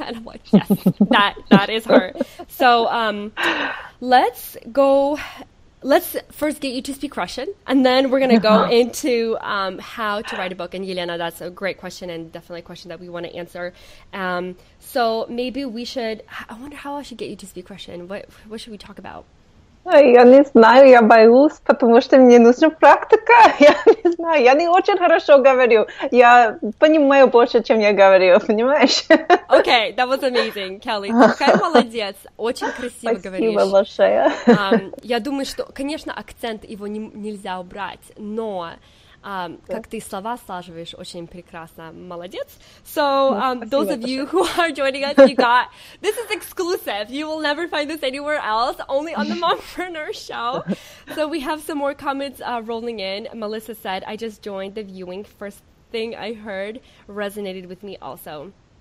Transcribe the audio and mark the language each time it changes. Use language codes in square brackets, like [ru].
[en] And I'm like, "Yes, that is her." So let's first get you to speak Russian, and then we're going to go into how to write a book. And Yelena, that's a great question, and definitely a question that we want to answer. So maybe we should, I wonder how I should get you to speak Russian. What should we talk about? [ru] Я не знаю, я боюсь, потому что мне нужна практика. Я не знаю, я не очень хорошо говорю. Я понимаю больше, чем я говорю, понимаешь? [en] Okay, that was amazing, Kelly. [ru] Такая молодец, очень красиво Спасибо говоришь. Спасибо большое. Я думаю, что, конечно, акцент его нельзя убрать, но как ты слова слаживаешь очень прекрасно, молодец. [en] So, those of you who are joining us, you got, this is exclusive. You will never find this anywhere else, only on the Mompreneur Show. So we have some more comments rolling in. Melissa said, I just joined the viewing. First thing I heard resonated with me also.